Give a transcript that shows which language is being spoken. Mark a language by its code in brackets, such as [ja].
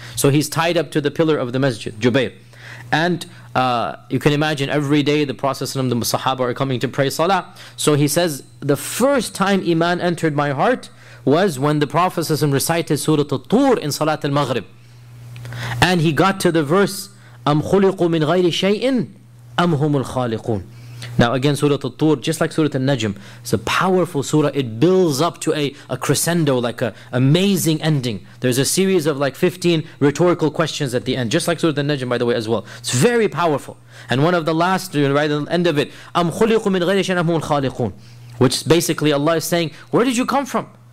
[en] So he's tied up to the pillar of the masjid, Jubair. And you can imagine every day the Prophet ﷺ, the Sahaba are coming to pray salah. So he says, the first time Iman entered my heart was when the Prophet ﷺ recited Surah At-Tur in Salat al-Maghrib. And he got to the verse, [ar] أَمْ خُلِقُوا مِنْ غَيْرِ شَيْءٍ أَمْ هُمُ الْخَالِقُونَ. [en] Now again, Surah At-Tur, just like Surah Al-Najm, it's a powerful surah. It builds up to a crescendo, like an amazing ending. There's a series of like 15 rhetorical questions at the end, just like Surah Al-Najm, by the way, as well. It's very powerful. And one of the last, right at the end of it, [ar] أَمْ خُلِقُوا مِنْ غَيْرِ شَيْءٍ أَمْ هُمُ الْخَالِقُونَ, [en] which basically Allah is saying, where did you come from?